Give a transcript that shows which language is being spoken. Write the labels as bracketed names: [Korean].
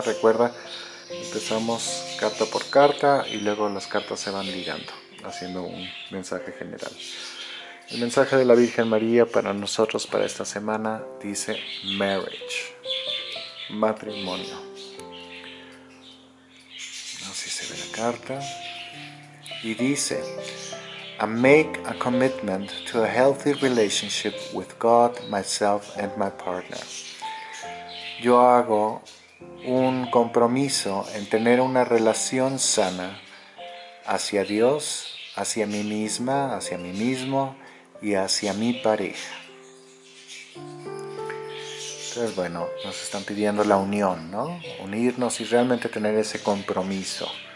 [Spanish] Recuerda, empezamos carta por carta y luego las cartas se van ligando, haciendo un mensaje general. El mensaje de la Virgen María para nosotros para esta semana dice marriage, matrimonio. Así se ve la carta. Y dice, [English] I make a commitment to a healthy relationship with God, myself and my partner. [Spanish] Yo hago un compromiso en tener una relación sana hacia Dios, hacia mí misma, hacia mí mismo y hacia mi pareja. Entonces, bueno, nos están pidiendo la unión, ¿no? Unirnos y realmente tener ese compromiso.